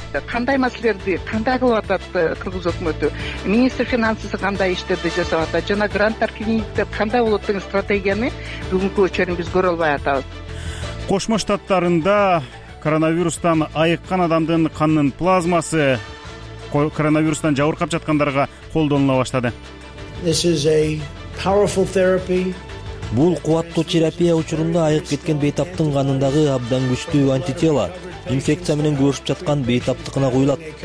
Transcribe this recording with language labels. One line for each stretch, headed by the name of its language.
Kyrgyz: Кандай маселелерди кандай кылып атат кыргыз өкмөтү, министр финансысы кандай иштерди жасап атат жана гранттар кийинкидеп кандай болот деген стратегияны бүгүнкү чейин биз көрө албай атабыз. Кошмо Штаттарында коронавирустан айыккан адамдын каннын плазмасы коронавирустан жабыркап жаткандарга колдонула баштады.
English: This is a powerful therapy.
Kyrgyz: Бул кубаттуу терапия учурунда айык кеткен бейтаптын канындагы абдан күчтүү антитела инфекция менен күрөшүп жаткан бейтаптыкына куюлат.